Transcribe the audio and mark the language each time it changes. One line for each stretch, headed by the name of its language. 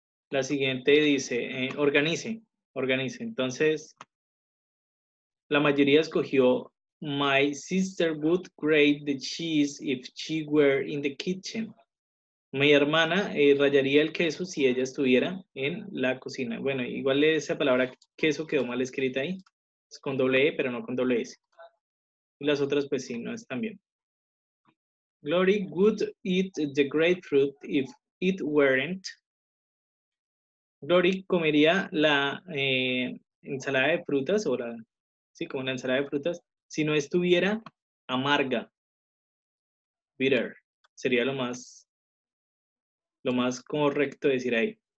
Spanish: La siguiente dice organice. Entonces la mayoría escogió
English: My sister would grate the cheese if she were in the kitchen.
Spanish: Mi hermana rallaría el queso si ella estuviera en la cocina. Bueno, igual esa palabra queso quedó mal escrita ahí. Es con doble E, pero no con doble S. Y las otras, pues sí, no es también.
English: Glory would eat the grapefruit if it weren't.
Spanish: Glory comería la ensalada de frutas, o la, sí, como la ensalada de frutas, si no estuviera amarga. Bitter. Sería lo más correcto decir ahí.